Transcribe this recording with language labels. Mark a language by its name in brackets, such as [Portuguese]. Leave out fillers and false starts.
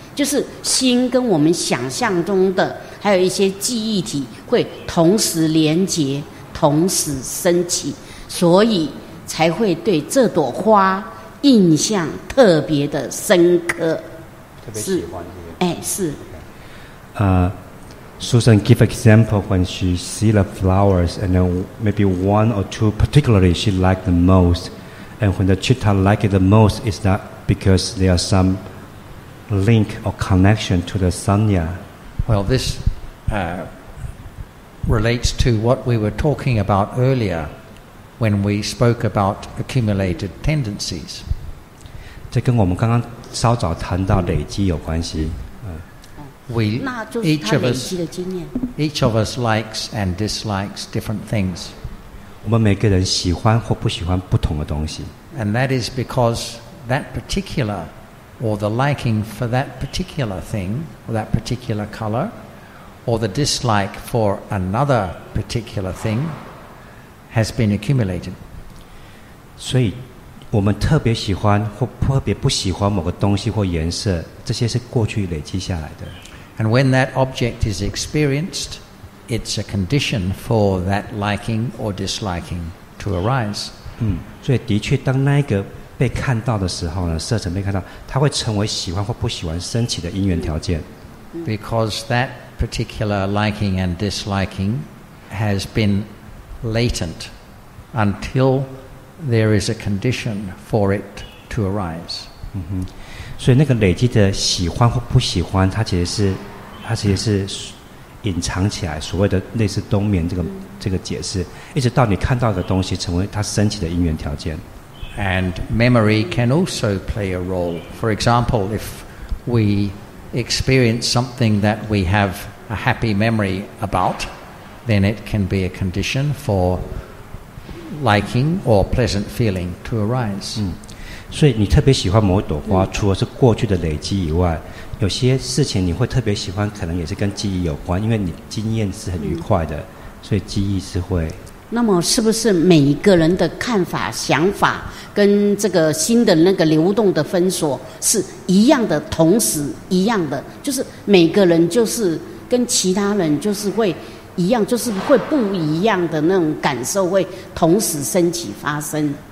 [Chinese] 就是心跟我们想象中的，还有一些记忆体会同时连结，同时升起，所以才会对这朵花印象特别的深刻，特别喜欢。哎，是。 [English] Susan give example when she see the flowers and then maybe one or two particularly she like the most, and when the chitta like it the most is that because there are some link or connection to the sanya. Well, this relates to what we were talking about earlier when we spoke about accumulated tendencies. [Chinese] 这跟我们刚刚稍早谈到累积有关系。 [English] We, each of us likes and dislikes different things. [Chinese] 我们每个人喜欢或不喜欢不同的东西。 [English] And that is because that particular, or the liking for that particular thing, or that particular color, or the dislike for another particular thing, has been accumulated. [Chinese] 所以我们特别喜欢或特别不喜欢某个东西或颜色，这些是过去累积下来的。 [English] And when that object is experienced, it's a condition for that liking or disliking to arise. [Chinese] 所以的确，当那个被看到的时候呢，色尘被看到，它会成为喜欢或不喜欢升起的因缘条件。 [English] Because that particular liking and disliking has been latent until there is a condition for it to arise. [Chinese] 所以那个累积的喜欢或不喜欢，它其实是，隐藏起来，所谓的类似冬眠这个解释，一直到你看到的东西成为它升起的因缘条件。 [English] And memory can also play a role. For example, if we experience something that we have a happy memory about, then it can be a condition for liking or pleasant feeling to arise. [Chinese] 所以你特别喜欢某一朵花，除了是过去的累积以外，有些事情你会特别喜欢，可能也是跟记忆有关，因为你经验是很愉快的，所以记忆是会。那么，是不是每一个人的看法、想法跟这个心的那个流动的分锁是一样的，同时一样的，就是每个人就是跟其他人就是会一样，就是会不一样的那种感受会同时升起发生。